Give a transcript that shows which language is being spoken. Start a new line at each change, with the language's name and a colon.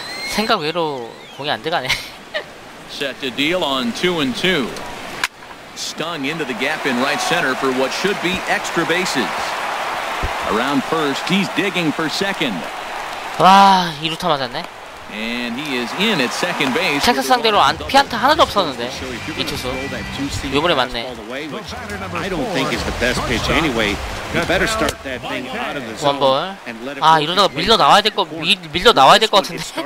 Korean: 생각 외로 공이 안 들어가네.
English: Set to deal on 2 and 2. Stung into the gap in right center for what should be extra bases. Around first, he's digging for second.
Korean: 와, 2루타 맞았네.
English: And he is in at second base.
Korean: 텍사스 상대로 안, 피안타 하나도 없었는데 이 투수 요번에 맞네.
English: I don't think it's the best pitch anyway. You better start that thing out of the zone.
Korean: 원볼. 아, 이러다가 밀려 나와야 될 거, 밀려 나와야 될 것 같은데.